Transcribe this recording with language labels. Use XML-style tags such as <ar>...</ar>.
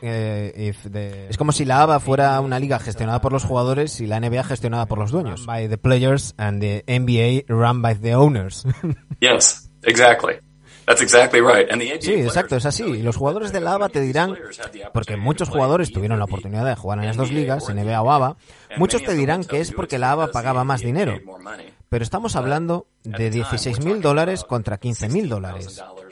<es>Es como si la ABA fuera una liga gestionada por los jugadores y la NBA gestionada por los dueños.</es> <en>By the players and the NBA run by the owners. Yes, exactly. That's exactly right. And the NBA</en> <es>sí, exacto, es así. Y los jugadores de la ABA te dirán, porque muchos jugadores tuvieron la oportunidad de jugar en las dos ligas, NBA o ABA, muchos te dirán que es porque la ABA pagaba más dinero. Pero estamos hablando de $16,000 contra $15,000.</es>